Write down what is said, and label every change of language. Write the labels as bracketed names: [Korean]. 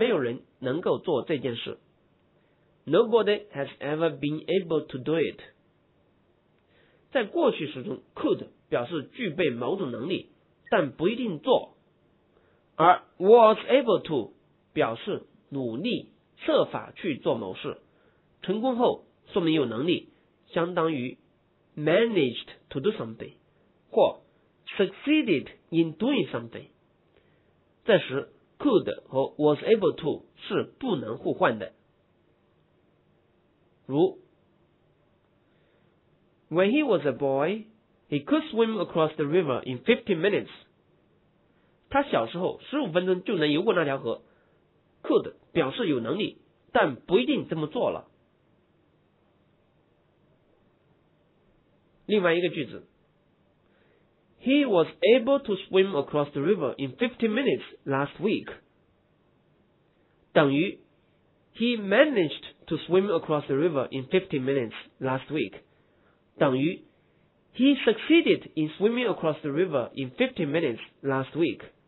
[Chinese] 从来没有人能够做这件事。 [English] Nobody has ever been able to do it. [Chinese] 在过去时中 could 表示具备某种能力但不一定做，而 was able to 表示努力设法去做某事，成功后说明有能力，相当于 [English] managed to do something [Chinese] 或 [English] succeeded in doing something， [Chinese] 这时 could 和 was able to 是不能互换的。 [English] 如 When he was a boy, he could swim across the river in 15 minutes. [Chinese] 他小时候15分钟就能游过那条河。 Could 表示有能力，但不一定这么做了。另外一个句子 [English] He was able to swim across the river in 15 minutes last week [Chinese] 等于 [English] He managed to swim across the river in 15 minutes last week 等于 He succeeded in swimming across the river in 15 minutes last week